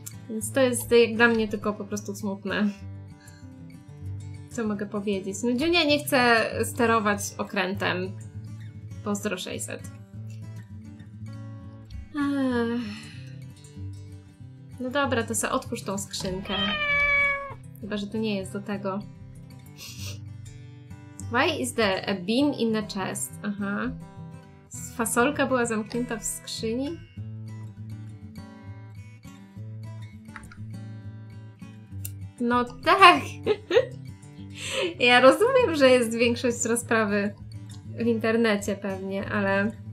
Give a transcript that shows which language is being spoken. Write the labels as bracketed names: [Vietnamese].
[Polish] Więc to jest jak dla mnie tylko po prostu smutne. Co mogę powiedzieć? No Junia nie chce sterować okrętem. Pozdro 600. No dobra, to sobie otwórz tą skrzynkę. Chyba, że to nie jest do tego. [English] Why is there a bean in the chest? Aha. [Polish] Fasolka była zamknięta w skrzyni? No tak! Ja rozumiem, że jest większość rozprawy w internecie pewnie, ale...